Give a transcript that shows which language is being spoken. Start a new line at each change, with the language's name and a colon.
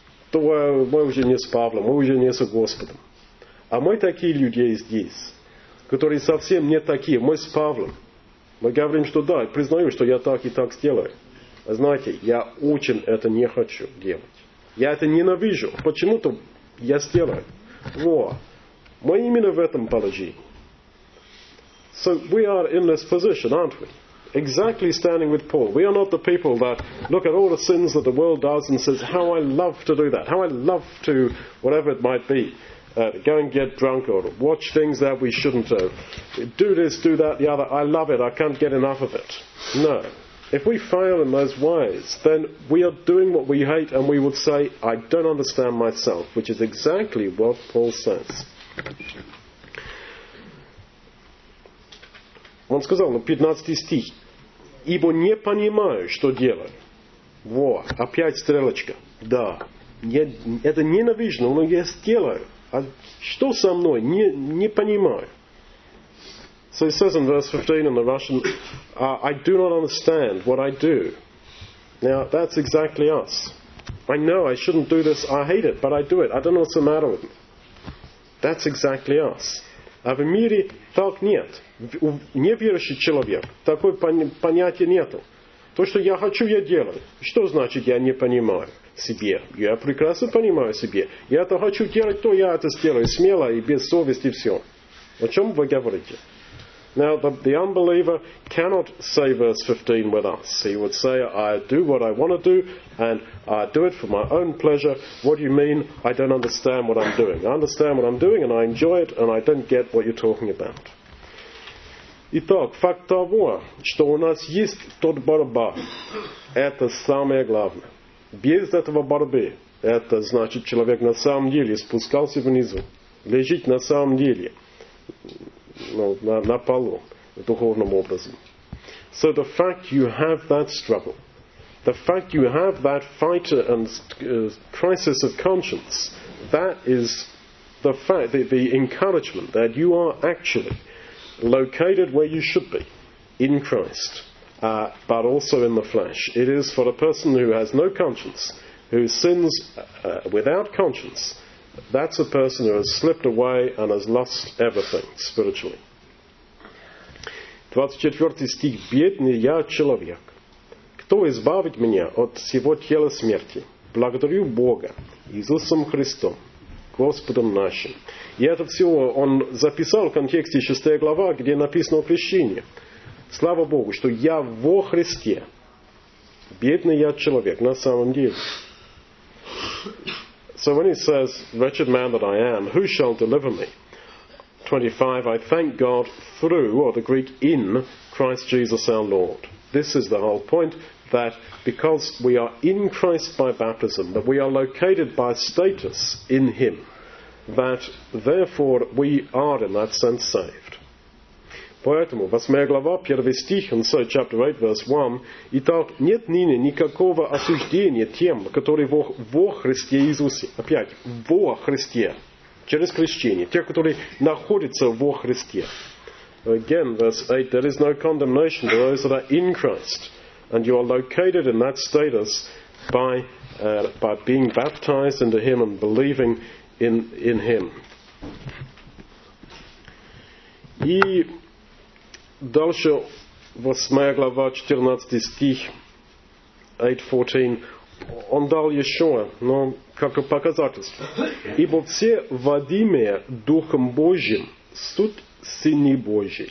Russian: То мы уже не с Павлом, мы уже не с Господом. А мы такие люди здесь, которые совсем не такие, мы с Павлом. Мы говорим, что да, признаю, что я так и так сделаю. Знаете, я очень это не хочу делать. Я это ненавижу. Почему-то я сделаю. Во. Мы именно в этом положении.
English: So we are in this position, aren't we? Exactly standing with Paul. We are not the people that look at all the sins that the world does and says, how I love to do that. How I love to, whatever it might be, go and get drunk or watch things that we shouldn't do. Do this, do that, the other. I love it. I can't get enough of it. No. If we fail in those ways, then we are doing what we hate and we would say, I don't understand myself, which is exactly what Paul says.
Russian: Он сказал, 15 стих, ибо не понимаю, что делаю. Во, опять стрелочка. Да, это ненавижу, но я сделаю. А что со мной? Не понимаю.
English: So he says in verse 15 in the Russian, I do not understand what I do. Now, that's exactly us. I know I shouldn't do this, I hate it, but I do it. I don't know what's the matter with me. That's exactly us.
Russian: А в мире так нет. У неверующий человек такое понятие нету. То, что я хочу, я делаю. Что значит, я не понимаю себе? Я прекрасно понимаю себе. Я это хочу делать, то я это сделаю смело и без совести все. О чем вы говорите?
English: Now, the unbeliever cannot say verse 15 with us. He would say, I do what I want to do, and I do it for my own pleasure. What do you mean? I don't understand what I'm doing. I understand what I'm doing, and I enjoy it, and I don't get what you're talking about.
Russian: Итак, факт того, что у нас есть тот борьба, это самое главное. Без этого борьбы, это значит, человек на самом деле спускался внизу, лежит на самом деле, ну, на полу, духовным образом.
English: So the fact you have that struggle, the fact you have that fight and crisis of conscience, that is the fact, the encouragement that you are actually located where you should be, in Christ, but also in the flesh. It is for a person who has no conscience, who sins without conscience, that's a person who has slipped away and has lost everything spiritually.
Russian: 24 стих. Бедный я человек. Кто избавит меня от всего тела смерти? Благодарю Бога, Иисусом Христом, Господом нашим. И это все он записал в контексте 6 глава, где написано о крещении. Слава Богу, что я во Христе. Бедный я человек, на самом деле.
English: So when he says, wretched man that I am, who shall deliver me? 25, I thank God through, or the Greek in, Christ Jesus our Lord. This is the whole point, that because we are in Christ by baptism, that we are located by status in him, that therefore we are in that sense saved.
Russian: Поэтому, 8 глава, 1 стих,
English: and so chapter 8, verse 1,
Russian: «Итак, нет ныне никакого осуждения тем, которые во Христе Иисусе». Опять, во Христе, через крещение, тех, которые находятся во Христе.
English: Again, verse 8, «There is no condemnation to those that are in Christ, and you are located in that status by being baptized into him and believing in him».
Russian: И дальше, 8 глава, 14 стих, 8:14, он дал еще, но как показательство. «Ибо все водимые Духом Божьим суть сыны Божьи».